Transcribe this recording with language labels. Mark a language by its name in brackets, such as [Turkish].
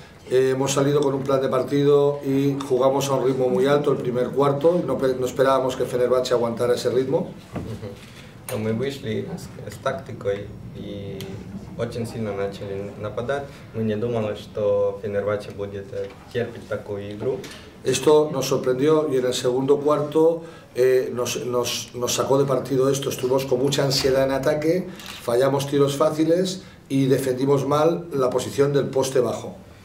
[Spanish] Hemos salido con un plan de partido y jugamos a un ritmo muy alto el primer cuarto. No esperábamos que Fenerbahce aguantara ese ritmo. [Russian] Мы вышли с тактикой и очень сильно начали нападать. Мы не думали, что Фенербахче будет терпеть такую игру. [Spanish] Esto nos sorprendió y en el segundo cuarto nos sacó de partido esto. Estuvimos con mucha ansiedad en ataque, fallamos tiros fáciles y defendimos mal la posición del poste bajo.